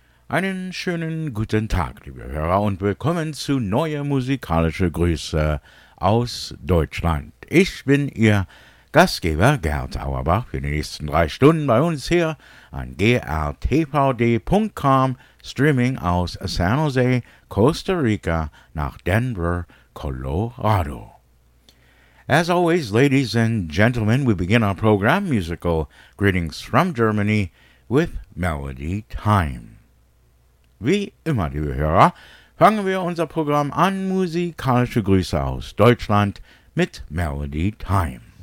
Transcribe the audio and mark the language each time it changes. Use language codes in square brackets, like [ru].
[de] Einen schönen guten Tag, liebe Hörer, und willkommen zu neue musikalische Grüße aus Deutschland. Ich bin Ihr Gastgeber Gerd Auerbach für die nächsten 3 Stunden bei uns hier an grtvd.com, streaming aus San Jose, Costa Rica nach Denver, Colorado. [en] As always, ladies and gentlemen, we begin our program, Musical Greetings from Germany, with Melody Time. [de] Wie immer, liebe Hörer, fangen wir unser Programm an, musikalische Grüße aus Deutschland mit Melody Time.